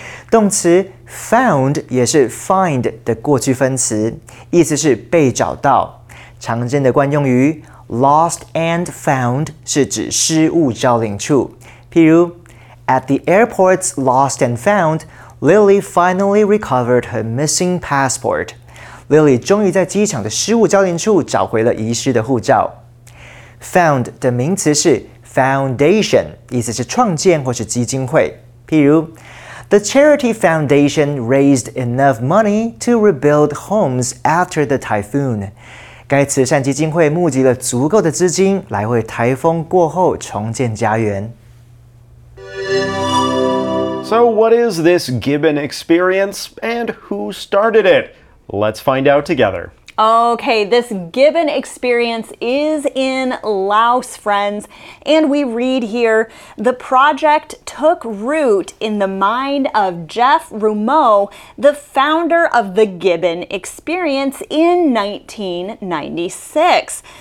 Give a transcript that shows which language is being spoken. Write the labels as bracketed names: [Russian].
[Chinese] 动词 found 也是 find 的过去分词，意思是被找到。常见的惯用语 lost and found 是指失物招领处。譬如 [English] ，At the airport's lost and found, Lily finally recovered her missing passport. [Chinese] Lily 终于在机场的失物招领处找回了遗失的护照。 Found 的名词是 foundation， 意思是创建或是基金会。譬如。 [English] The charity foundation raised enough money to rebuild homes after the typhoon. [Chinese] 该慈善基金会募集了足够的资金来为台风过后重建家园。 [English] So what is this Gibbon experience and who started it? Let's find out together. Okay, this Gibbon experience is in Laos, friends, and we read here, the project took root in the mind of Jeff Rumeau, the founder of the Gibbon experience in 1996.